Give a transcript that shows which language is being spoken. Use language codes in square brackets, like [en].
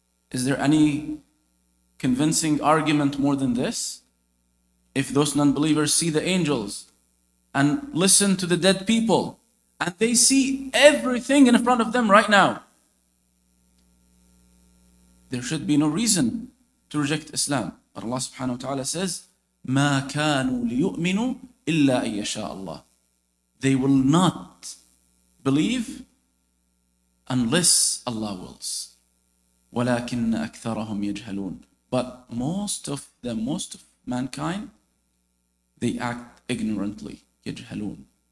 [en] Is there any convincing argument more than this? If those non-believers see the angels and listen to the dead people, and they see everything in front of them right now, there should be no reason to reject Islam. But Allah subhanahu wa ta'ala says, [ar] مَا كَانُوا لِيُؤْمِنُوا إِلَّا أَن يَشَاءَ اللَّهِ. [en] They will not believe unless Allah wills. [ar] وَلَكِنَّ أَكْثَرَهُمْ يَجْهَلُونَ. [en] But most of them, most of mankind, they act ignorantly. [ar] يَجْهَلُونَ.